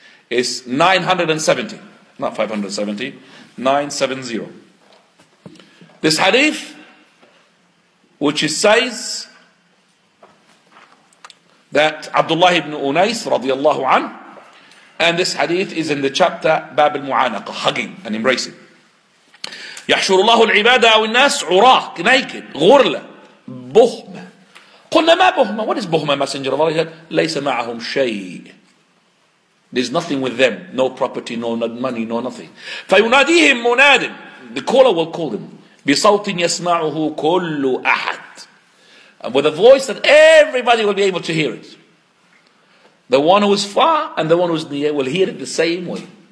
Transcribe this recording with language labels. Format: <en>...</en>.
<en>It's 970. Not 570. 970. This hadith, which is says that Abdullah ibn Unais radiallahu an, and this hadith is in the chapter Bab al-Mu'anaqa, hugging and embracing.</en> <ar>يَحْشُرُ اللَّهُ الْعِبَادَ وَالنَّاسُ عُرَاكْ</ar> <en>naked,</en> <ar>غُرْلَ بُهْمَ قُلْنَا مَا بُهْمَ.</ar> <en>What is بُهْمَ, Messenger of Allah?</en> <ar>لَيْسَ مَعَهُمْ شَيْءٍ.</ar> <en>There's nothing with them. No property, no money, no nothing.</en> <ar>فَيُنَادِيهِمْ مُنَادٍ.</ar> <en>The caller will call them.</en> <ar>بِصَوْتٍ يَسْمَعُهُ كُلُّ أَحَدٍ.</ar> <en>With a voice that everybody will be able to hear it. The one who is far and the one who is near will hear it the same way.</en>